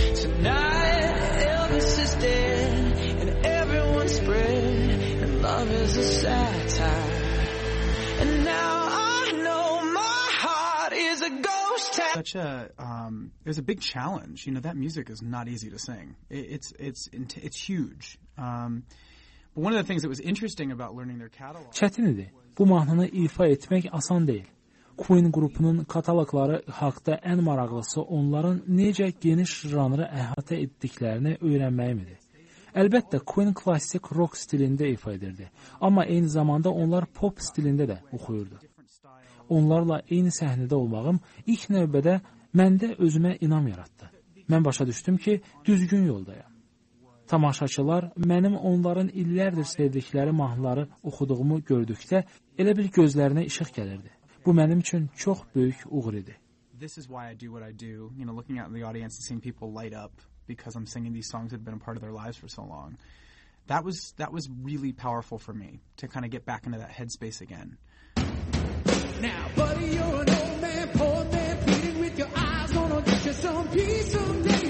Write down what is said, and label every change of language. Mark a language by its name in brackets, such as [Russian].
[English] Tonight, Elvis is dead, and everyone's spread, and love is a satire. And now such a it was a big challenge. You know, that music is not easy to sing. It's huge. But one of the things that was interesting about learning their catalog. [Azerbaijani] Çətin idi. Bu mahnını ifa etmək asan deyil. Queen qrupunun katalogları haqda ən maraqlısı onların necə geniş janrı əhatə etdiklərini öyrənməyim idi. Əlbəttə, Queen klassik rock stilində ifa edirdi. Amma eyni zamanda onlar pop stilində də oxuyurdu. Onlarla eyni səhnədə olmağım ilk növbədə məndə özümə inam yaratdı. Mən başa düşdüm ki, düzgün yoldayam. Tamaşaçılar mənim onların illərdir sevdikləri mahnıları oxuduğumu gördükdə elə bil gözlərinə işıq gəlirdi. Bu mənim üçün çox böyük uğur idi. [English] This is why I do what I do, you know, looking out in the audience and seeing people light up because I'm singing these songs that have been a part of their lives for so long. That was really powerful for me to kind of get back into that headspace again. Now, buddy, you're an old man, poor man, pleading with your eyes, gonna get you some peace someday.